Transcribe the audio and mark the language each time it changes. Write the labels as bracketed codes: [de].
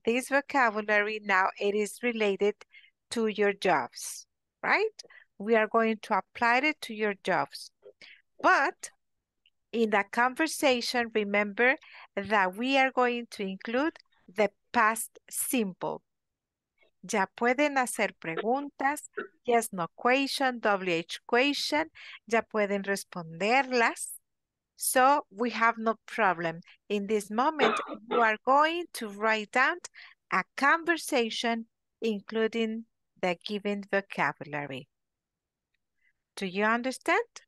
[en] This vocabulary, now it is related to your jobs, right? We are going to apply it to your jobs. But in that conversation, remember that we are going to include the past simple. [es] Ya pueden hacer preguntas, [en] yes, no question, WH question, [es] ya pueden responderlas. [en] So we have no problem. In this moment, you are going to write down a conversation including the given vocabulary. Do you understand?